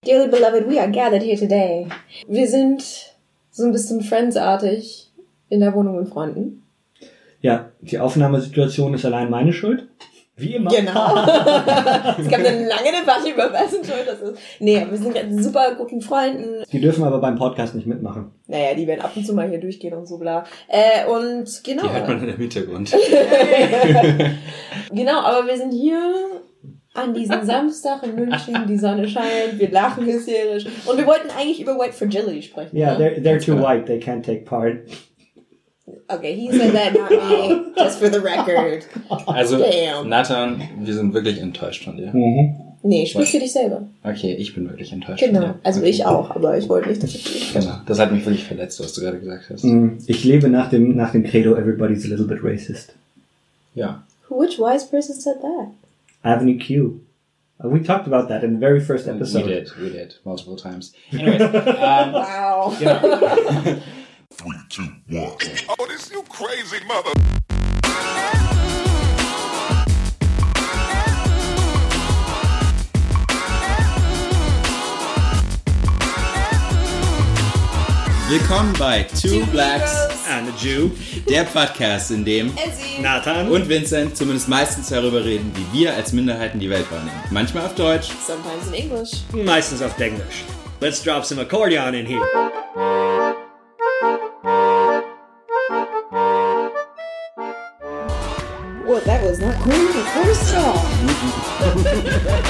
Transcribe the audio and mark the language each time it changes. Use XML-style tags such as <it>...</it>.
<en>Dearly beloved, we are gathered here today.</en> <de>Wir sind so ein bisschen friendsartig in der Wohnung mit Freunden. Ja, die Aufnahmesituation ist allein meine Schuld. Wie immer. Genau. Es gab eine lange Debatte über wessen Schuld das ist. Nee, wir sind gerade super guten Freunden. Die dürfen aber beim Podcast nicht mitmachen. Naja, die werden ab und zu mal hier durchgehen und so bla. Und genau. Die hört man im Hintergrund. Genau, aber wir sind hier an diesem Samstag in München, die Sonne scheint, wir lachen hysterisch. Und wir wollten eigentlich über White Fragility sprechen.</de> <en>Yeah, ne? they're too white, they can't take part. Okay, he said that, not me, just for the record.</en> <de>Also, Nathan, wir sind wirklich enttäuscht von dir. Mhm. Nee, sprich für dich selber. Okay, ich bin wirklich enttäuscht. Genau, also ich auch, aber ich wollte nicht, dass ich dich. Genau, das hat mich wirklich verletzt, was du gerade gesagt hast. Ich lebe nach dem Credo,</de> <en>everybody's a little bit racist.</en> <de>Ja.</de> <en>Which wise person said that? Avenue Q. We talked about that in the very first episode. We did. Multiple times. Anyways. Wow. 3, 2, 1. Oh, this you crazy mother...</en> <de>Willkommen bei Two Blacks</de> <en>and a Jew,</en> <de>der Podcast, in dem Nathan und Vincent zumindest meistens darüber reden, wie wir als Minderheiten die Welt wahrnehmen. Manchmal auf Deutsch,</de> <en>sometimes in English,</en> <de>meistens auf Englisch.</de> <en>Let's drop some accordion in here. What, that was not cool the first time.</en>